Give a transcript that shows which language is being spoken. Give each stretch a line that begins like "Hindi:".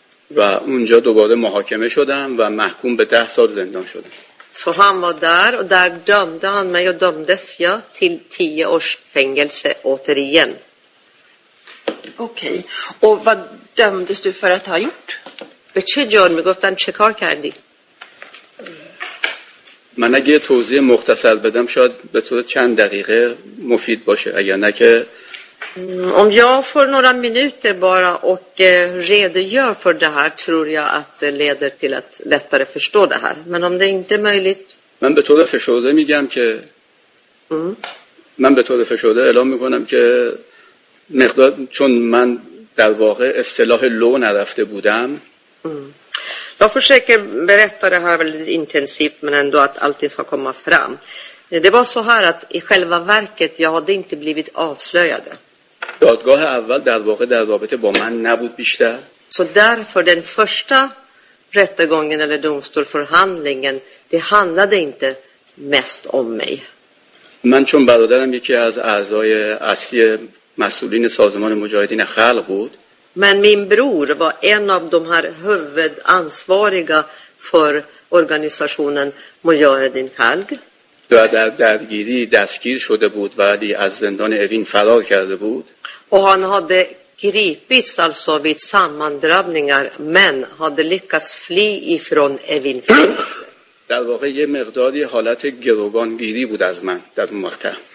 Persian: و اونجا دوباره محاکمه شدم و محکوم به 10 سال زندان شدم.
Swedish: Så han var där och där dömde han mig och dömdes jag till 10 års fängelse återigen. Okej. Okay. Och vad dömdes du för att ha gjort? Vad gjorde du? Gav du en checkar kärdi?
Persian: من اگه توضیح مختصر بدم شاید به طور چند دقیقه مفید باشه، اگر نه که
Swedish: om jag får några minuter bara och redogör för det här tror jag att det leder till att lättare förstå det här. Men om det inte är möjligt.
Persian: من به طور فشرده میگم که من به طور فشرده اعلام میکنم که مقدار، چون من در واقع اصطلاح لو نرفته بودم.
Swedish: Jag försöker berätta det här väldigt intensivt men ändå att allting ska komma fram. Det var så här att i själva verket jag hade inte blivit avslöjade.
Persian: دادگاه اول در واقع در رابطه با من نبود بیشتر.
Swedish: Så därför den första rättegången eller domstolsförhandlingen det handlade inte mest om mig.
Persian: من چون برادرم یکی از اعضای اصلی مسئولین سازمان مجاهدین خلق بود.
Swedish: Men min bror var en av de här huvudansvariga för organisationen Mujahedin Khalq.
Persian: درگیری دستگیر شده بود ولی از زندان اوین فرار کرده بود.
Swedish: Och han hade gripits alltså vid sammandrabbningar men hade lyckats fly ifrån اوین فرار.
Persian: در واقع یه مقداری حالت گروگانگیری بود از من در اون وقت.